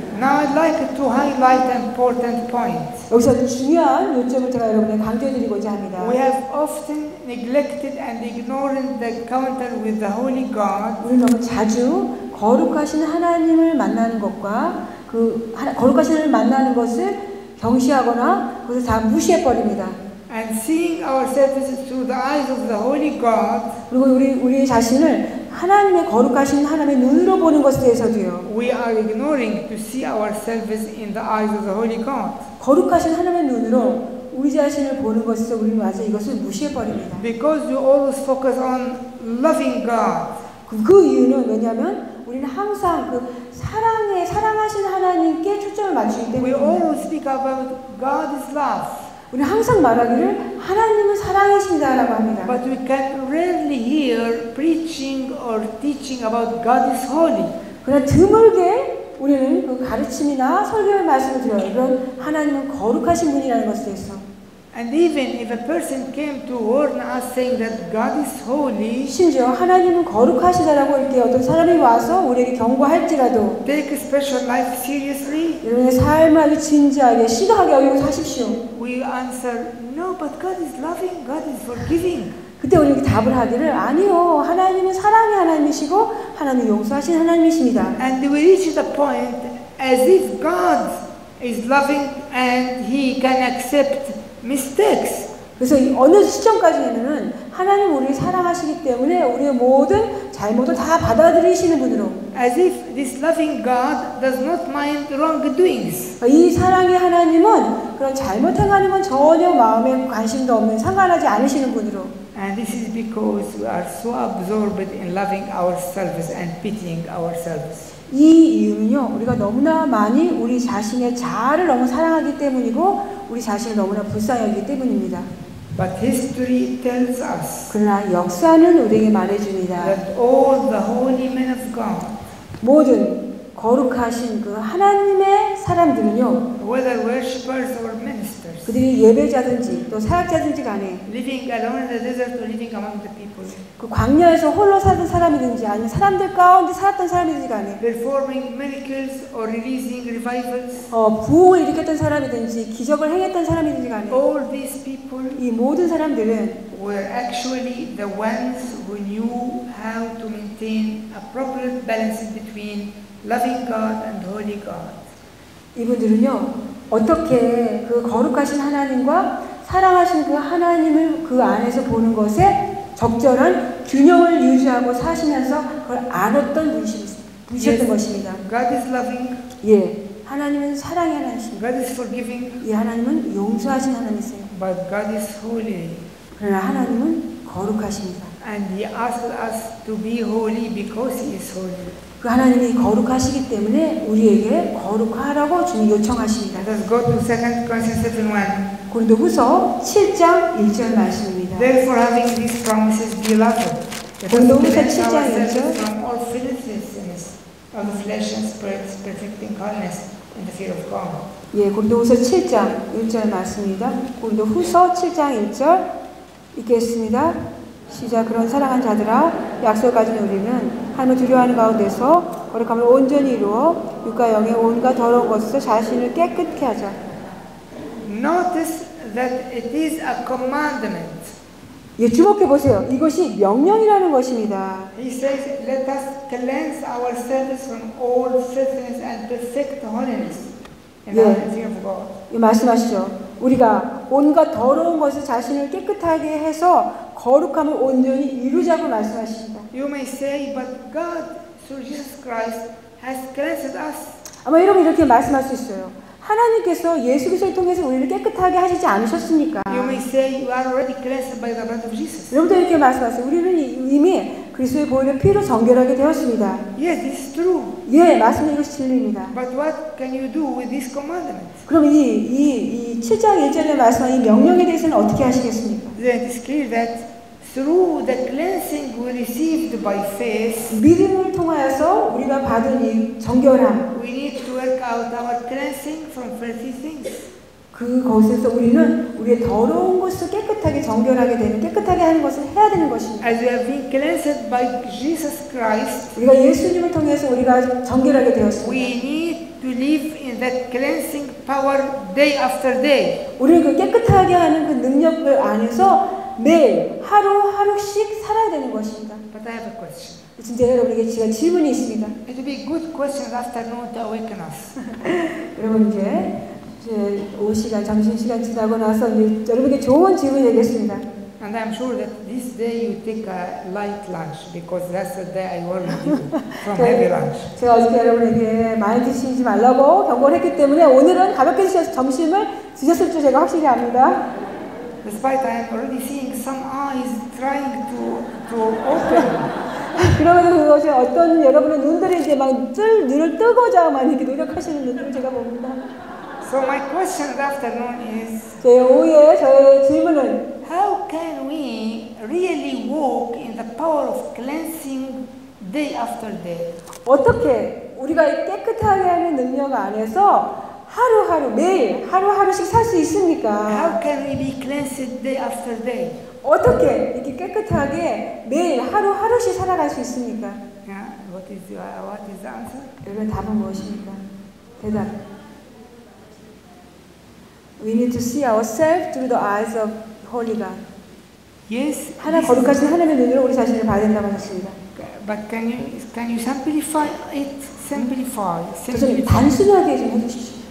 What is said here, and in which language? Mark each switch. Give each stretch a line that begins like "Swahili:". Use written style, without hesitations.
English: Now I'd like to highlight an important point.
Korean: 여기서 중요한 요점을 제가 여러분에게 강조드리고자 합니다.
English: We have often neglected and ignored the encounter with the Holy God.
Korean: 우리는 너무 자주 거룩하신 하나님을 만나는 것과 그 거룩하신 하나님을 만나는 것을 경시하거나 그것을 다 무시해 버립니다.
English: And seeing ourselves through the eyes of the Holy God.
Korean: 그리고 우리 자신을 하나님의 거룩하신 하나님의 눈으로 보는 것에 대해서도요.
English: We are ignoring to see ourselves in the eyes of the Holy God.
Korean: 거룩하신 하나님의 눈으로 우리 자신을 보는 것에서 우리는 아주 이것을 무시해 버립니다.
English: Because you always focus on loving God.
Korean: 그 이유는 왜냐하면 우리는 항상 그 사랑하신 하나님께 초점을 맞추기 때문입니다.
English: We always speak about God's love.
Korean: 우리는 항상 말하기를 하나님은 사랑이신다라고 합니다.
English: But we can rarely hear preaching or teaching about God is holy.
Korean: 그러나 드물게 우리는 그 가르침이나 설교의 말씀을 들어요. 그런 하나님은 거룩하신 분이라는 것에 대해서.
English: And even if a person came to warn us saying that God is holy,
Korean: 심지어 하나님은 거룩하시다라고 이렇게 어떤 사람이 와서 우리에게 경고할지라도,
English: take special life seriously.
Korean: 여러분의 삶을 진지하게, 심각하게 여기고 사십시오.
English: We answer, no, but God is loving. God is forgiving.
Korean: 그때 우리에게 답을 하기를, 아니요, 하나님은 사랑의 하나님이시고 하나님은 용서하신 하나님이십니다.
English: And we reach the point as if God is loving and He can accept. Mistakes.
Korean: 그래서 어느 시점까지는 하나님 우리를 사랑하시기 때문에 우리의 모든 잘못을 다 받아들이시는 분으로.
English: As if this loving God does not mind wrongdoings.
Korean: 이 사랑의 하나님은 그런 잘못 행하는 건 전혀 마음에 관심도 없는 상관하지 않으시는 분으로.
English: And this is because we are so absorbed in loving ourselves and pitying ourselves.
Korean: 이 이유는요, 우리가 너무나 많이 우리 자신의 자아를 너무 사랑하기 때문이고 우리 자신을 너무나 불쌍하기 때문입니다.
English: But history tells us.
Korean: 그러나 역사는 우리에게 말해줍니다.
English: That all the holy men of God.
Korean: 모든 거룩하신 그 하나님의 사람들은요,
English: whether worshippers or ministers,
Korean: 그들이 예배자든지 또 사역자든지 간에,
English: living alone in the desert or living among the people,
Korean: 그 광야에서 홀로 살던 사람이든지 아니면 사람들 가운데 살았던 사람이든지 간에,
English: performing miracles or releasing revivals,
Korean: 부흥을 일으켰던 사람이든지 기적을 행했던 사람이든지 간에,
English: all these people,
Korean: 이 모든 사람들은
English: were actually the ones who knew how to maintain a proper balance between loving God and holy God.
Korean: 이분들은요 어떻게 그 거룩하신 하나님과 사랑하신 그 하나님을 그 안에서 보는 것에 적절한 균형을 유지하고 사시면서 그걸 안었던 분이셨던 것입니다.
English: God is loving.
Korean: 예, 하나님은 사랑의 하나님.
English: God is forgiving.
Korean: 예, 하나님은 용서하신 하나님이세요.
English: But God is holy.
Korean: 그러나 하나님은 거룩하십니다.
English: And He asked us to be holy because He is holy.
Korean: 그 하나님이 거룩하시기 때문에 우리에게 거룩하라고 주님 요청하십니다.
English: Let's go to 2 Corinthians 7:1.
Korean: 고린도후서 7장 1절 말씀입니다.
English: Therefore, having these promises, beloved,
Korean: 고린도후서 7장 1절.
English: From all filthiness of the flesh and spirit, perfecting holiness in the fear of God.
Korean: 예, 고린도후서 7장 1절 말씀입니다. 고린도후서 7장 1절 읽겠습니다. 시작. 그런 사랑한 자들아, 약속을 가진 우리는 하나님을 두려워하는 가운데서 거룩함을 온전히 이루어 육과 영의 온갖 더러운 것에서 자신을 깨끗케 하자.
English: Notice that it is a commandment.
Korean: 예, 주목해 보세요. 이것이 명령이라는 것입니다.
English: He says, "Let us cleanse ourselves from all filthiness and perfect holiness in the fear of God."
Korean: 예, 말씀하시죠. 우리가 온갖 더러운 것에서 자신을 깨끗하게 해서 거룩함을 온전히 이루자고 말씀하십니다.
English: You may say, but God through Jesus Christ has cleansed us.
Korean: 아마 여러분 이렇게 말씀할 수 있어요. 하나님께서 예수 그리스도를 통해서 우리를 깨끗하게 하시지 않으셨습니까?
English: You may say, you are already cleansed by the blood of Jesus.
Korean: 여러분도 이렇게 말씀하세요. 우리는 이미 그리스도의 보혈의 피로 정결하게 되었습니다.
English: Yes, it's true.
Korean: 예, 맞습니다. 이것이 진리입니다.
English: But what can you do with this commandment?
Korean: 그럼 이 7장 1절에 말씀하신 명령에 대해서는 어떻게 하시겠습니까?
English: Then it's clear that through the cleansing we received by faith,
Korean: 믿음을 통하여서 우리가 받은 이 정결함,
English: we need to work out our cleansing from filthy things.
Korean: 그곳에서 우리는 우리의 더러운 것을 깨끗하게 정결하게 되는 깨끗하게 하는 것을 해야 되는 것입니다.
English: As we have been cleansed by Jesus Christ,
Korean: 우리가 예수님을 통해서 우리가 정결하게 되었습니다.
English: We need to live in that cleansing power day after day.
Korean: 우리는 그 깨끗하게 하는 그 능력을 안에서 매일 하루하루씩 살아야 되는 것입니다.
English: But I have a question.
Korean: 진짜 여러분에게 제가 질문이 있습니다.
English: It will be good question after noon to awaken us.
Korean: 여러분 이제. 이제 5시간, 점심시간 지나고 나서 여러분께 좋은 질문을 드리겠습니다.
English: And I'm sure that this day you take a light lunch because that's the day I want you from heavy lunch.
Korean: 제가 어저께 여러분에게 많이 드시지 말라고 경고를 했기 때문에 오늘은 가볍게 드셔서 점심을 드셨을 줄 제가 확실히 압니다.
English: Despite I am already seeing some eyes trying to open.
Korean: 그러면 그것이 어떤 여러분의 눈들이 이제 막 눈을 뜨고자 막 이렇게 노력하시는 눈들을 제가 봅니다.
English: So my question this afternoon is.
Korean: 제 오후에 저의 질문은.
English: How can we really walk in the power of cleansing day after day?
Korean: 어떻게 우리가 깨끗하게 하는 능력 안에서 하루하루 매일 하루하루씩 살 수 있습니까?
English: How can we be cleansed day after day?
Korean: 어떻게 이렇게 깨끗하게 매일 하루하루씩 살아갈 수 있습니까?
English: Yeah, what is the answer?
Korean: 여러분 답은 무엇입니까? 대답.
English: We need to see ourselves through the eyes of Holy God. Yes.
Korean: 하나 거룩하신 하나님의 눈으로 우리 자신을 봐야 된다고 하셨습니다.
English: But can you simplify it? Simplify.
Korean: 좀 단순하게 좀 해주시죠.